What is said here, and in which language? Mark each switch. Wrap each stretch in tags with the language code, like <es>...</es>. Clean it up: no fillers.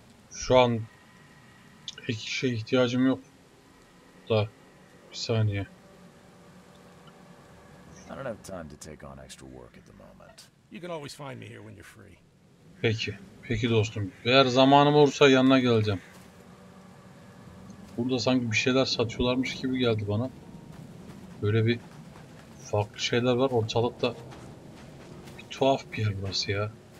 <tr>Şu an pek işe ihtiyacım yok. Da bir saniye.</tr> <en>I don't have time to take on extra work at the moment. You can always find me here when you're free.</en> <tr>Peki. Peki dostum. Eğer zamanım olursa yanına geleceğim. Burada sanki bir şeyler satıyorlarmış gibi geldi bana. Böyle bir farklı şeyler var. Ortalıkta bir tuhaf bir yer burası ya.</tr>